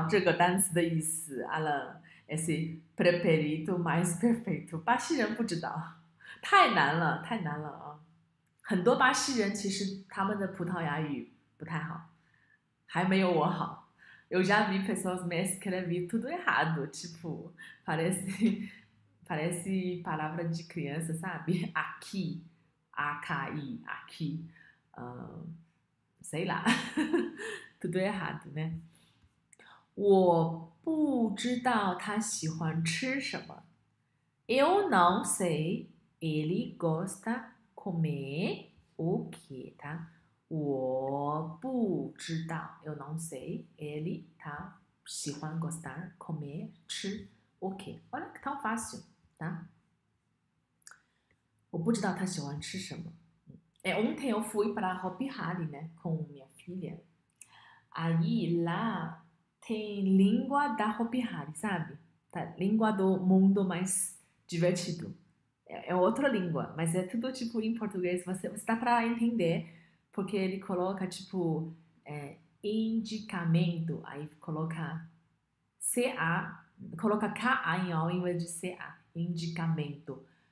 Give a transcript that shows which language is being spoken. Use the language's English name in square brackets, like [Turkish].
[Chinese] 巴西人不知道这个单词的意思, Alan, [Portuguese] esse preterito mais perfeito. [Chinese] 巴西人不知道, 太难了。很多巴西人其实他们的葡萄牙语不太好，还没有我好。 [Portuguese] Eu já vi pessoas me escrever tudo errado, tipo, parece palavra de criança, sabe? Aqui, AKI, aqui, sei lá. Tudo errado, né? [Chinese] 我不知道他喜欢吃什么. [Portuguese] Eu não sei. Ele gosta comer o quê, tá? [Chinese] 我不知道. [Portuguese] Eu não sei. Ele tá 喜欢 gostar comer 吃 o quê? Olha que tão fácil, tá? [Chinese] 我不知道他喜欢吃什么. [Portuguese] É, ontem eu fui para Hopi Hari, né, com minha filha. Aí lá tem língua da Hopi Hari, sabe? Tá, língua do mundo mais divertido. É outra língua, mas é tudo tipo em português. Você dá para entender porque ele coloca tipo indicamento, aí coloca CA, coloca KA em vez de CA, indicamento.